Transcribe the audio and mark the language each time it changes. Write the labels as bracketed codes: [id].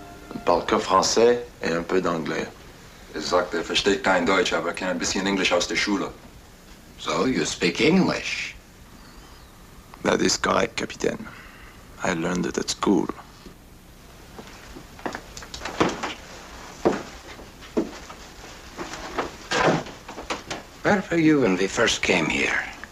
[fr] Je ne parle que français et un peu d'anglais. [de] Exact, ich verstehe kein Deutsch, aber kann ein bisschen Englisch aus der Schule. [en] So you speak English? That is correct, Capitaine. I learned it at school. Where were you when we first came here?